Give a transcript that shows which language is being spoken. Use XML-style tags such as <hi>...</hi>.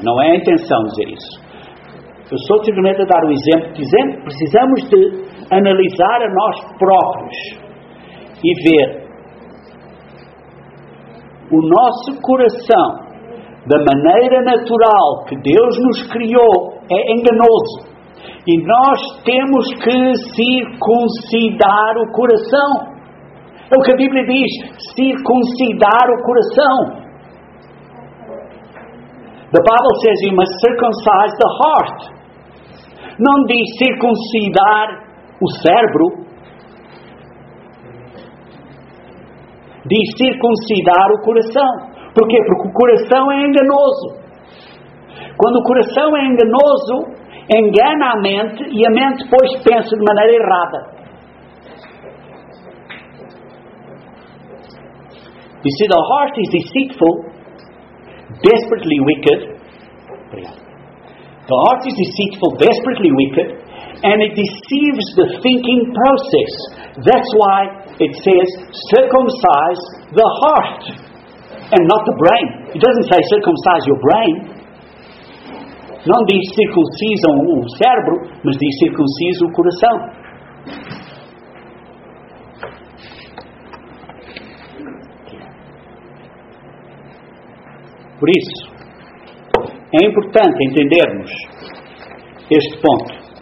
<pt>Não é a intenção dizer isso. Eu sou simplesmente a dar um exemplo, dizendo que precisamos de analisar a nós próprios e ver o nosso coração, da maneira natural que Deus nos criou, é enganoso. E nós temos que circuncidar o coração. É o que a Bíblia diz, circuncidar o coração.</pt> <en>The Bible says you must circumcise the heart.</en> <pt>Não diz circuncidar o cérebro. Diz circuncidar o coração. Porquê? Porque o coração é enganoso. Quando o coração é enganoso, engana a mente e a mente depois pensa de maneira errada.</pt> <en>You see, the heart is deceitful, desperately wicked. The heart is deceitful, desperately wicked, and it deceives the thinking process. That's why it says circumcise the heart and not the brain. It doesn't say circumcise your brain.</en> <pt>Não diz circuncisa o cérebro, mas diz circuncisa o coração. Por isso, é importante entendermos este ponto.</pt>